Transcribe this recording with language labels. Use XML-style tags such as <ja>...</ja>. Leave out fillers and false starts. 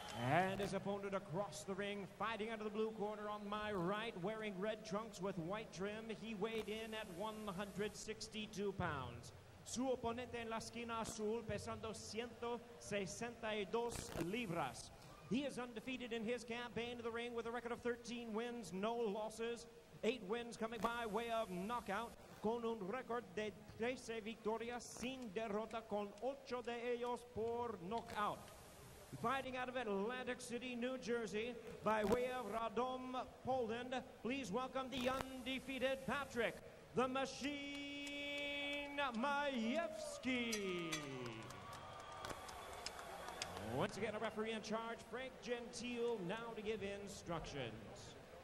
<en>And his opponent across the ring, fighting out of the blue corner on my right, wearing red trunks with white trim, he weighed in at 162 pounds.</en> <es>Su oponente en la esquina azul, pesando 162 libras.</es> <en>He is undefeated in his campaign to the ring with a record of 13 wins, no losses, 8 wins coming by way of knockout.</en> <es>con un récord de 13 victorias sin derrota, con 8 de ellos por knockout.</es> <en>Fighting out of Atlantic City, New Jersey, by way of Radom, Poland, please welcome the undefeated Patrick, the Machine Majewski. Once again, a referee in charge, Frank Gentile, now to give instructions.</en>